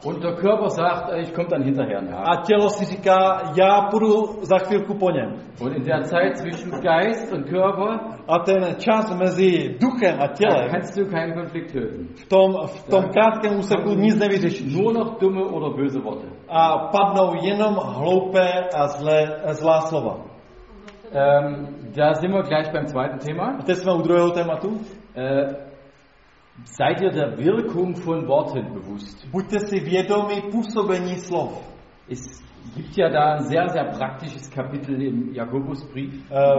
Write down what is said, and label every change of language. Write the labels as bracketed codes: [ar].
[de] Und der Körper sagt, ich komme dann hinterher. [cs] A tělo si říká, já půjdu za chvilku po něm. [de] Und in der Zeit zwischen Geist und Körper. [cs] A ten čas mezi duchem a tělem. [de] Kannst du keinen Konflikt lösen. [cs] V tom krátkém úseku nic nevyřešíš. [de] Nur noch dumme oder böse Worte. [cs] A padnou jenom hloupé a zlá slova. [de] Da sind wir gleich beim zweiten Thema. Das war unser drittes Thema. Seid ihr der Wirkung von Worten bewusst? [cs] Buďte si vědomi působení slov. [de] Es gibt ja da ein sehr, sehr praktisches Kapitel im Jakobusbrief.